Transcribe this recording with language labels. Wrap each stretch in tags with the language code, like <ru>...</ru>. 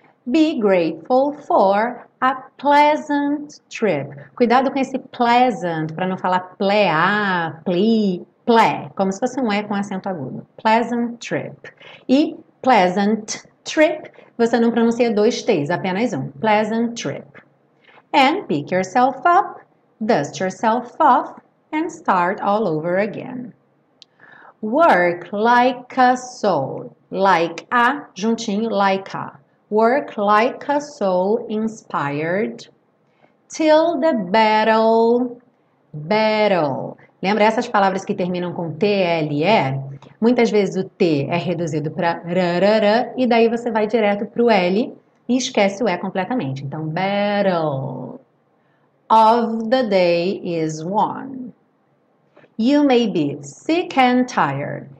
<en>Be grateful for a pleasant trip.</en> <pt>Cuidado com esse pleasant, para não falar plea, plea, ple, como se fosse um E com acento agudo.</pt> <en>Pleasant trip.</en> <pt>E</pt> <en>pleasant trip,</en> <pt>você não pronuncia dois T's, apenas um.</pt> <en>Pleasant trip. And pick yourself up, dust yourself off, and start all over again. Work like a soul. Like a, juntinho, like a. Work like a soul inspired. Till the battle, battle.</en> <pt>Lembra essas palavras que terminam com T-L-E? Muitas vezes o T é reduzido para rarara e daí você vai direto para o L. E esquece o E completamente.</pt> <en>Então, battle of the day is won. You may be sick and tired.</en>